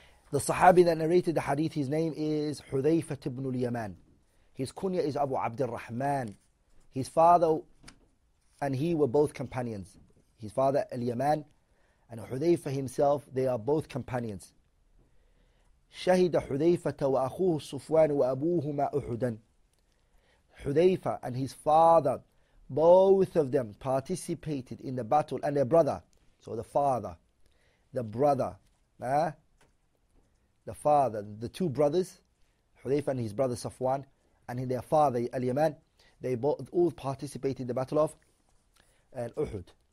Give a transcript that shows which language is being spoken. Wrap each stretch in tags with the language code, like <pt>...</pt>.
<en>The Sahabi that narrated the hadith, his name is Hudhayfa ibn al-Yaman. His kunya is Abu Abdurrahman. His father and he were both companions. His father al-Yaman and Hudhayfa himself, they are both companions.</en> <ar>شهد حذيفة وأخوه الصفوان وأبوهما أحدا.</ar> <en>Hudhayfa and his father, both of them participated in the battle, and their brother, so the father, the brother, the father, the two brothers, Hudhayfa and his brother Safwan, and their father Al-Yaman, they both all participated in the battle of Uhud.</en>